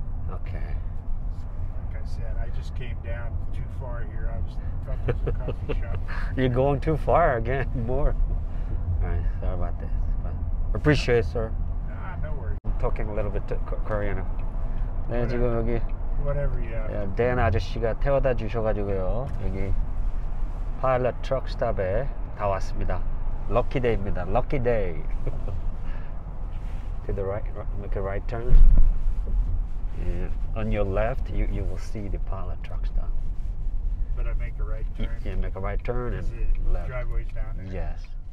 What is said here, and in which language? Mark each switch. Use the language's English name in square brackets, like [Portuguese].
[English] Okay. Said I just came down too far here. I was from the coffee shop. You're going too far again. More. All right, sorry about this. But appreciate it, sir. Nah, no worries. I'm talking a little bit Korean. [Korean] 네, 지금 여기. [English] Whatever you have. [Korean] 댄 아저씨가 태워다 주셔가지고요. 여기 파일럿 트럭 스탑에 다 왔습니다. [English] Lucky day입니다. Lucky day. To the right. Make a right turn. Yeah. On your left, you will see the pilot truck stop. But I make a right turn. Yeah, make a right turn and left. The driveway's down there. Yes.